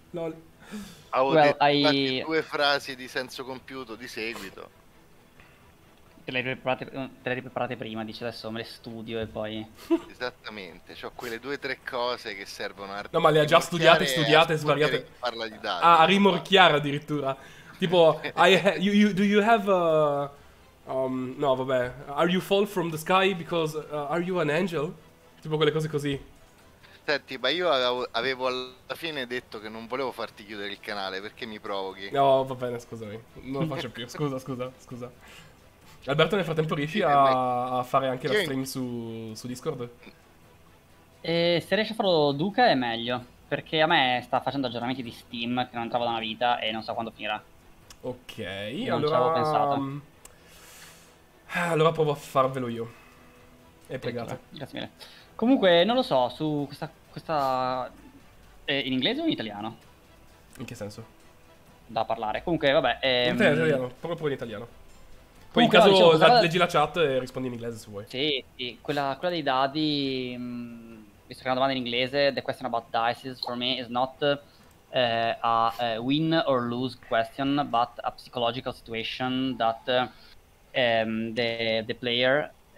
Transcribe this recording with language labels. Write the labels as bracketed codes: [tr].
[it] LOL. Avevo detto due frasi di senso compiuto di seguito. Te le hai preparate prima, dice, adesso me le studio e poi... Esattamente, cioè quelle due o tre cose che servono a... No, ma le ha già studiate, svariate... Parla di dati. A rimorchiare addirittura. [en] Tipo, are you fall from the sky because... are you an angel? [it] Tipo quelle cose così. Senti, ma io avevo alla fine detto che non volevo farti chiudere il canale, perché mi provochi? No, va bene, scusami. Non lo faccio più, scusa. Alberto, nel frattempo riesci a fare anche la stream su Discord? Se riesci a farlo Duca è meglio, perché a me sta facendo aggiornamenti di Steam che non trovo da una vita e non so quando finirà. Ok, allora provo a farvelo io. E pregate. Grazie mille. Comunque, non lo so, su questa... È in inglese o in italiano? In che senso? Da parlare. Comunque, vabbè... In italiano, proprio in italiano. Poi comunque, in caso no, diciamo, leggi la chat e rispondi in inglese se vuoi. Sì, sì. Quella dei dadi, visto che è una domanda in inglese, [en] the question about dice for me is not a win or lose question, but a psychological situation that the player